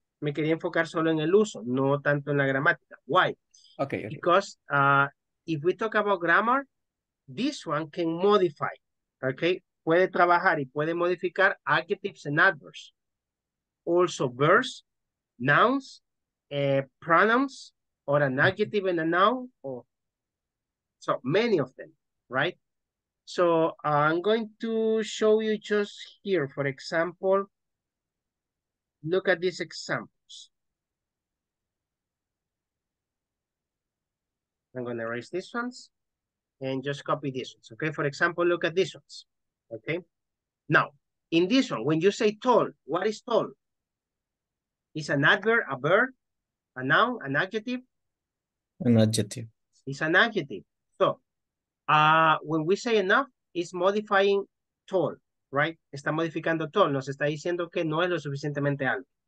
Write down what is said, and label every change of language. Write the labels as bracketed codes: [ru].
[es] Me quería enfocar solo en el uso, no tanto en la gramática. [en] Why? Okay. Because if we talk about grammar, this one can modify. Okay, [es] puede trabajar y puede modificar [en] adjectives and adverbs, also verbs, nouns, pronouns, or an adjective and a noun, or so many of them, right? So I'm going to show you just here, for example, look at these examples. I'm going to erase these ones and just copy these ones. Okay, for example, look at these ones. Okay, now in this one, when you say tall, what is tall? Is an adverb, a verb, a noun, an adjective? An adjective. It's an adjective. So when we say enough, it's modifying tall, right? [es] Está modificando tall. Nos está diciendo que no es lo suficientemente alto.